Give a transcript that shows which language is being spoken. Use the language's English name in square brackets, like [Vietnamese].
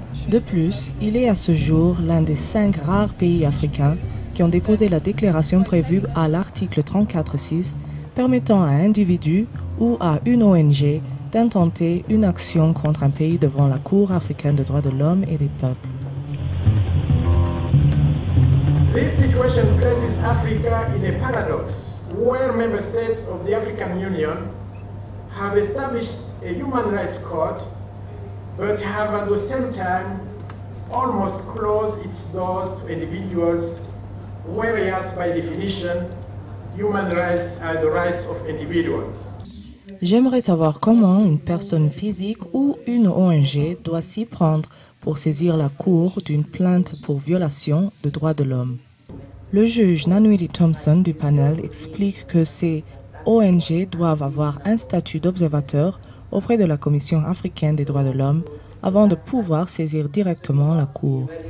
[French] De plus, il est à ce jour l'un des 5 rares pays africains qui ont déposé la déclaration prévue à l'article 34.6 permettant à un individu ou à une ONG d'intenter une action contre un pays devant la Cour africaine de droits de l'homme et des peuples. [English] This situation places Africa in a paradox where member states of the African Union have established a human rights court but have at the same time almost closed its doors to individuals, whereas by definition, human rights are the rights of individuals. [French] J'aimerais savoir comment une personne physique ou une ONG doit s'y prendre pour saisir la Cour d'une plainte pour violation de droits de l'homme. Le juge Nanwiri Thompson du panel explique que ces ONG doivent avoir un statut d'observateur auprès de la Commission africaine des droits de l'homme avant de pouvoir saisir directement la Cour.